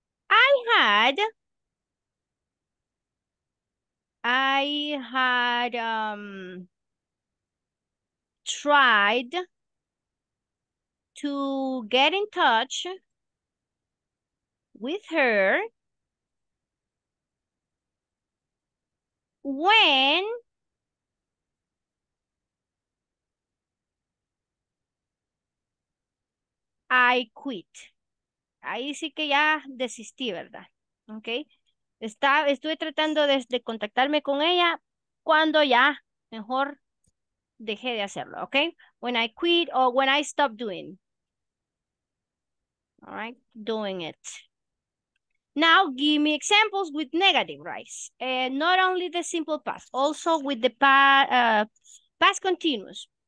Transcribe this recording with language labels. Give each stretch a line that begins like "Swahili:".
English: I had tried to get in touch with her when I quit.
Spanish: Ahí sí que ya desistí, ¿verdad? Okay. Estuve tratando de contactarme con ella cuando ya mejor dejé de hacerlo, okay?
English: When I quit or when I stop doing. All right, doing it. Now give me examples with negative, right? Not only the simple past, also with the past continuous.